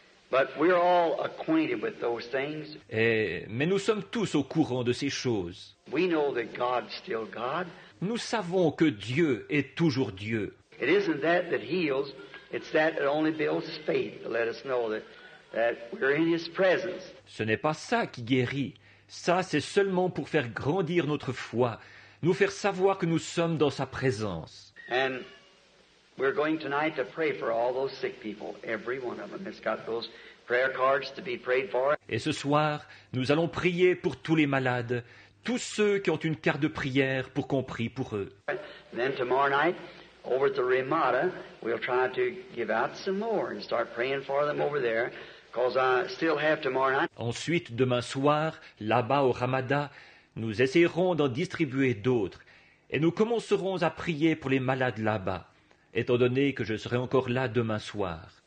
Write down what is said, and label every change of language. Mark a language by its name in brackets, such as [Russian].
[English] But we're all acquainted with those things. [French] Mais nous sommes tous au courant de ces choses. [English] We know that God's still God. [French] Nous savons que Dieu est toujours Dieu. [English] It isn't that that heals, it's that it only builds faith to let us know that we're in His presence. [French] Ce n'est pas ça qui guérit. Ça, c'est seulement pour faire grandir notre foi, nous faire savoir que nous sommes dans Sa présence. [English] And we're going tonight to pray for all those sick people, every one of them. It's got those prayer cards to be prayed for. [French] Et ce soir, nous allons prier pour tous les malades, tous ceux qui ont une carte de prière pour qu'on prie pour eux. [English] And then tomorrow night, over at the Ramada, we'll try to give out some more and start praying for them over there, because I still have tomorrow night. [French] Ensuite, demain soir, là-bas au Ramada, nous essaierons d'en distribuer d'autres, et nous commencerons à prier pour les malades là-bas. Étant donné que je serai encore là demain soir.